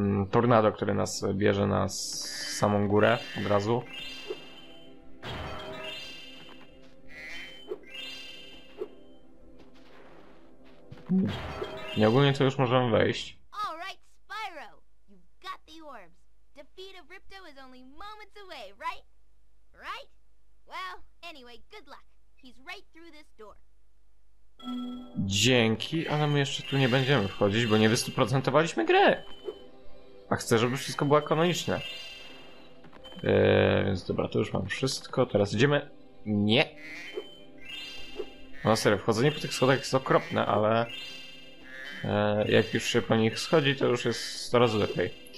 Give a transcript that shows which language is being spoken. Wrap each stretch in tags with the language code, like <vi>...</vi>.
<pl>Tornado, który nas bierze na samą górę od razu. Nie, ogólnie to już możemy wejść.</pl> <en>Alright, Spyro! You've got the orbs. Defeat of Ripto is only moments away, right? Right? Well, anyway, good luck. He's right through this door.</en> <pl>Dzięki, ale my jeszcze tu nie będziemy wchodzić, bo nie wystuprocentowaliśmy gry. A chcę, żeby wszystko było kanoniczne. Więc dobra, to już mam wszystko. Teraz idziemy. Nie! No serio, wchodzenie po tych schodach jest okropne, ale jak już się po nich schodzi, to już jest 100 razy lepiej.</pl>